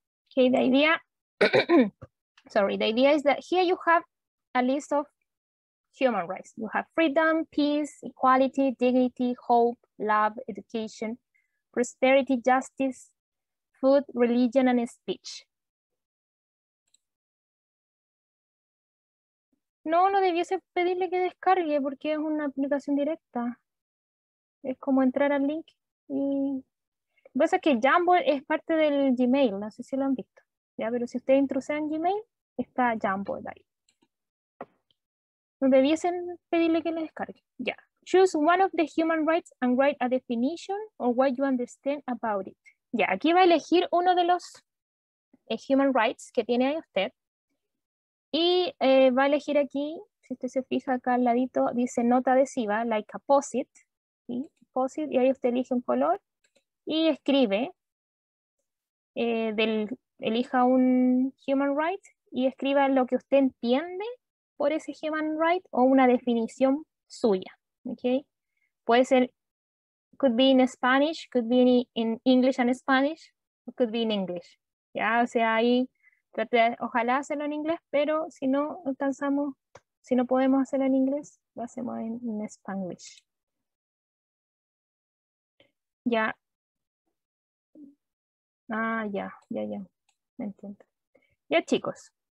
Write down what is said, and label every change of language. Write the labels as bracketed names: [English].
[English] Okay, the idea, sorry, the idea is that here you have a list of human rights. You have freedom, peace, equality, dignity, hope, love, education, prosperity, justice, food, religion, and speech. [Spanish] No, no debiese pedirle que descargue porque es una aplicación directa. Es como entrar al link y... Lo que pasa es que Jamboard es parte del Gmail, no sé si lo han visto. ¿Ya? Pero si ustedes introducen Gmail, está Jamboard ahí. No debiesen pedirle que le descargue. Ya. [English] Choose one of the human rights and write a definition or what you understand about it. [Spanish] Ya, aquí va a elegir uno de los human rights que tiene ahí usted. Y va a elegir aquí, si usted se fija acá al ladito, dice nota adhesiva, [English] like a posit. [Spanish] ¿Sí? Posit, y ahí usted elige un color. Y escribe, elija un human right y escriba lo que usted entiende por ese human right o una definición suya. [English] Okay? [Spanish] Puede ser, [English] could be in Spanish, could be in English and Spanish, or could be in English. [Spanish] Ya, o sea, ahí trate, ojalá hacerlo en inglés, pero si no alcanzamos, si no podemos hacerlo en inglés, lo hacemos en Spanish. Ya. Ah, ya, me entiendo. Ya, chicos.